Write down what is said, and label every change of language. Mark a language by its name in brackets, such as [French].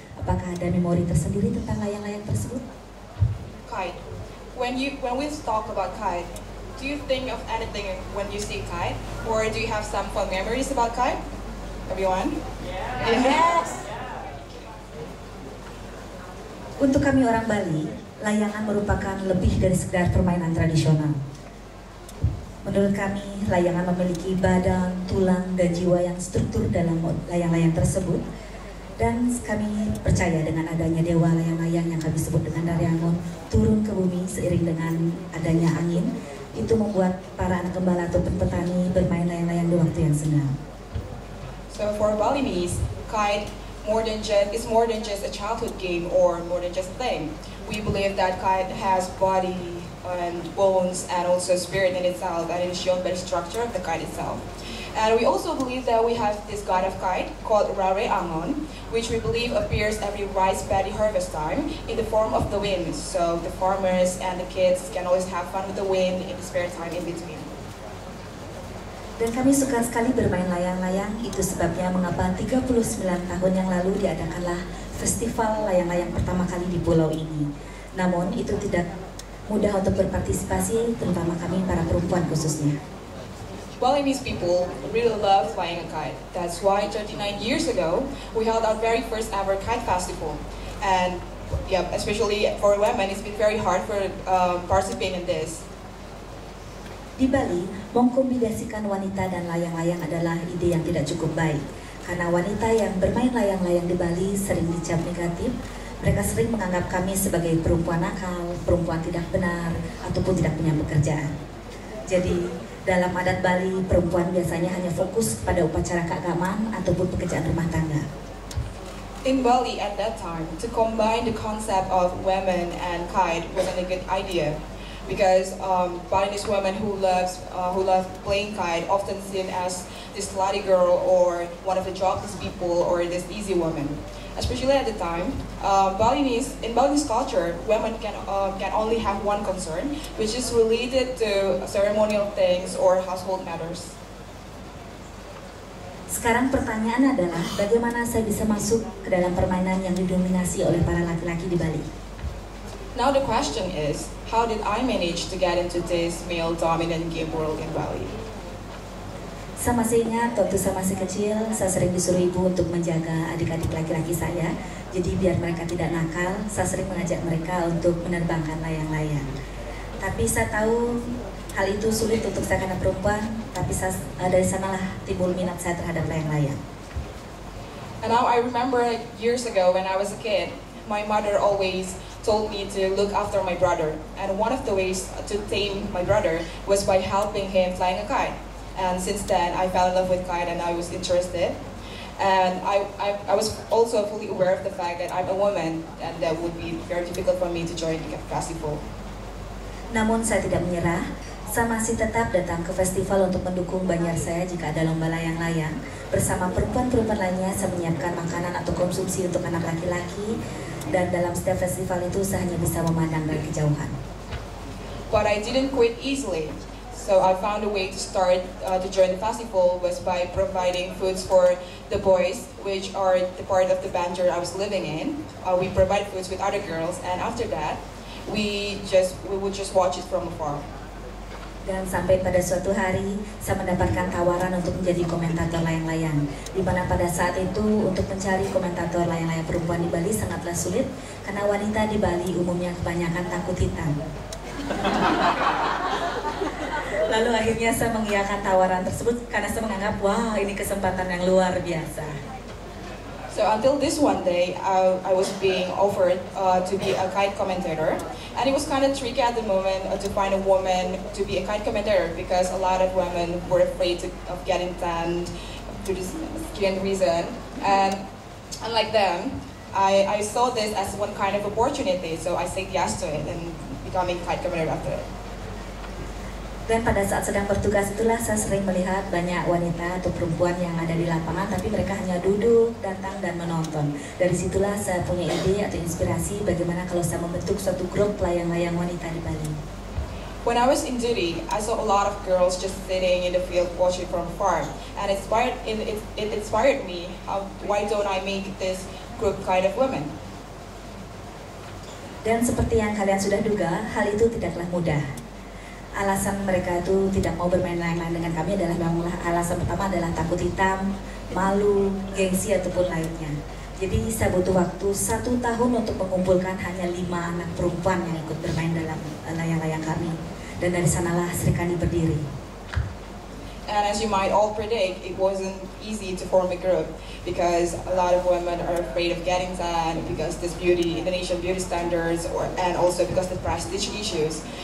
[Indonesian] Apakah ada memori tersendiri tentang layang-layang tersebut? [English] Kite. When we talk about kite, do you think of anything when you see kite? Or do you have some fun memories about kite? Everyone? Yeah. Yes! [Indonesian] Untuk kami orang Bali, layangan merupakan lebih dari sekedar permainan tradisional. Menurut kami, layangan memiliki badan, tulang, dan jiwa yang struktur dalam layang-layang tersebut. Dan kami percaya dengan adanya dewa layang-layang yang kami sebut dengan Daryangon turun ke bumi seiring dengan adanya angin, itu membuat para anak gembala atau petani bermain layang-layang di waktu yang senang. [English] So for Balinese, kite is more than just a childhood game or more than just a thing. We believe that kite has body and bones and also spirit in itself, and it is shown by the structure of the kite itself. And we also believe that we have this god of kite called Rare Angon, which we believe appears every rice paddy harvest time in the form of the wind. So the farmers and the kids can always have fun with the wind in the spare time in between. [Indonesian] Dan kami suka sekali bermain layang-layang, itu sebabnya mengapa 39 tahun yang lalu diadakanlah festival layang-layang pertama kali di pulau ini. Namun itu tidak mudah untuk berpartisipasi, terutama kami para perempuan khususnya. [English] Balinese people really love flying a kite. That's why 39 years ago, we held our very first ever kite festival. And yeah, especially for women, it's been very hard for participating in this. [Indonesian] Di Bali, mengkombinasikan wanita dan layang-layang adalah ide yang tidak cukup baik. Karena wanita yang bermain layang-layang di Bali sering dicap negatif. Mereka sering menganggap kami sebagai perempuan nakal, perempuan tidak benar, ataupun tidak punya pekerjaan. Jadi, dalam adat Bali, perempuan biasanya hanya fokus pada upacara keagamaan ataupun pekerjaan rumah tangga. [English] In Bali at that time, to combine the concept of women and kite wasn't a good idea. Because Balinese women who love playing kite often seen as this slutty girl or one of the jobless people or this easy woman. Especially at the time, in Balinese culture, women can only have one concern, which is related to ceremonial things or household matters. [Indonesian] Sekarang pertanyaan adalah bagaimana saya bisa masuk ke dalam permainan yang didominasi oleh para laki-laki di Bali. [English] Now the question is, how did I manage to get into this male-dominant game world in Bali? [Indonesian] Saya masih ingat, waktu saya masih kecil, saya sering disuruh ibu untuk menjaga adik-adik laki-laki saya. Jadi biar mereka tidak nakal, saya sering mengajak mereka untuk menerbangkan layang-layang. Tapi saya tahu hal itu sulit untuk saya karena perempuan, tapi saya, dari sanalah timbul minat saya terhadap layang-layang. [English] And now I remember years ago when I was a kid, my mother always told me to look after my brother. And one of the ways to tame my brother was by helping him flying a kite. And since then, I fell in love with kite and I was interested. And I was also fully aware of the fact that I'm a woman and that would be very difficult for me to join the festival. [Indonesian] Namun saya tidak menyerah, saya masih tetap datang ke festival untuk mendukung banyak saya jika ada lomba layang-layang. Bersama perempuan-perempuan lainnya, saya menyiapkan makanan atau konsumsi untuk anak laki-laki. Dan dalam setiap festival itu, saya hanya bisa memandang dari kejauhan. [English] But I didn't quit easily. So I found a way to start to join the festival was by providing foods for the boys, which are the part of the banter I was living in. We provide foods with other girls, and after that, we would just watch it from afar. [Indonesian] Dan sampai pada suatu hari, saya mendapatkan tawaran untuk menjadi komentator layang-layang. Di mana pada saat itu, untuk mencari komentator layang-layang perempuan di Bali sangatlah sulit, karena wanita di Bali umumnya kebanyakan takut hitam. Lalu akhirnya saya mengiyakan tawaran tersebut karena saya menganggap, wah, ini kesempatan yang luar biasa. [English] So until this one day, I was being offered to be a kite commentator. And it was kind of tricky at the moment to find a woman to be a kite commentator because a lot of women were afraid of getting tanned due to skin reason. And unlike them, I saw this as one kind of opportunity, so I said yes to it and becoming kite commentator after it. [Indonesian] Dan pada saat sedang bertugas itulah saya sering melihat banyak wanita atau perempuan yang ada di lapangan tapi mereka hanya duduk, datang, dan menonton. Dari situlah saya punya ide atau inspirasi bagaimana kalau saya membentuk suatu grup layang-layang wanita di Bali. [English] When I was in duty, I saw a lot of girls just sitting in the field watching from afar. And it inspired me, why don't I make this group kind of women? [Indonesian] Dan seperti yang kalian sudah duga, hal itu tidaklah mudah. Alasan mereka itu tidak mau bermain layang-layang dengan kami adalah bangunlah alasan pertama adalah takut hitam, malu, gengsi ataupun lainnya. Jadi saya butuh waktu 1 tahun untuk mengumpulkan hanya 5 anak perempuan yang ikut bermain dalam layang-layang kami. Dan dari sanalah Serikani berdiri. [English] And as you might all predict, it wasn't easy to form a group because a lot of women are afraid of getting tan because this beauty, Indonesian beauty standards, and also because of the prestige issues.